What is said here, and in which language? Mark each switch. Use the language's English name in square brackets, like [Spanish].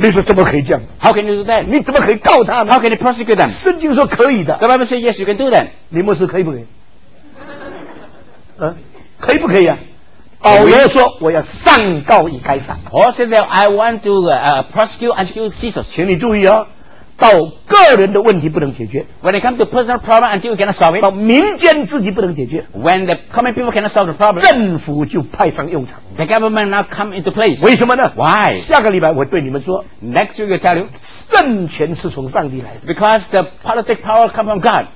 [Chinese] 你说怎么可以这样 [English] ？How can you do that? [Chinese] 你怎么可以告他呢 [English] ？How can you prosecute them? [Chinese] 圣经说可以的。 [English] The Bible says yes, you can do that. [Chinese] 李牧师可以不可以？可以不可以啊？保罗说我要上告于该撒。 [English] Paul said that I want to prosecute and accuse Caesar. [Chinese] 请你注意啊、哦。到个人的问题不能解决 [English] ，When it comes to personal problem, until you cannot solve it， [Chinese] 到民间自己不能解决 [English] ，When the common people cannot solve the problem， [Chinese] 政府就派上用场 [English] ，The government now come into place。 [Chinese] 为什么呢 [English] ？Why？ [Chinese] 下个礼拜我对你们说 [English] ，Next week I tell you， [Chinese] 政权是从上帝来的 [English] ，Because the political power come from God。